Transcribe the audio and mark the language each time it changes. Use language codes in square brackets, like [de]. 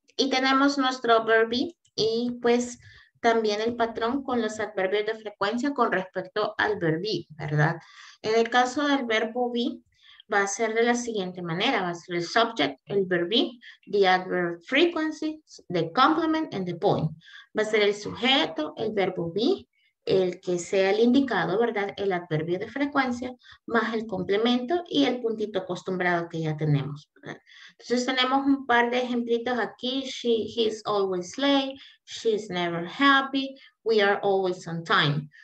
[es] Y tenemos nuestro verb be y pues también el patrón con los adverbios de frecuencia con respecto al verb be, ¿verdad? En el caso del verbo be, va a ser de la siguiente manera. Va a ser el [en] subject, el verb be, the adverb frequency, the complement, and the point. [es] Va a ser el sujeto, el verbo be, el que sea el indicado, ¿verdad? El adverbio de frecuencia, más el complemento y el puntito acostumbrado que ya tenemos, ¿verdad? Entonces tenemos un par de ejemplitos aquí. [en] She, he's always late. She's never happy. We are always on time.